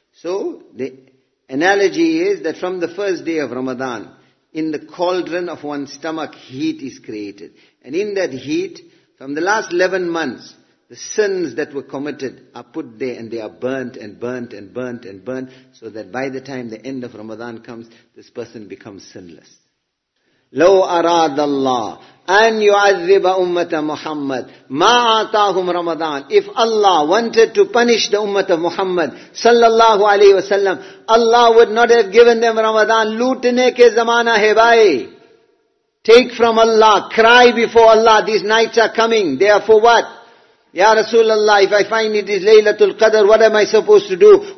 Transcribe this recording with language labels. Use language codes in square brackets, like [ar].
[en] So the analogy is that from the first day of Ramadan, in the cauldron of one's stomach, heat is created. And in that heat, from the last 11 months, the sins that were committed are put there and they are burnt and burnt and burnt and burnt, so that by the time the end of Ramadan comes, this person becomes sinless. [ar] لو أراد الله أن يعذب أمة محمد ما أعطاهم رمضان. [en] If Allah wanted to punish the Ummah of Muhammad sallallahu alaihi wasallam, Allah would not have given them Ramadan. [ur] لوٹنے کے زمانہ ہے بھائی. [en] Take from Allah, cry before Allah, these nights are coming, they are for what? Ya Rasulullah, if I find it is Laylatul Qadr, what am I supposed to do?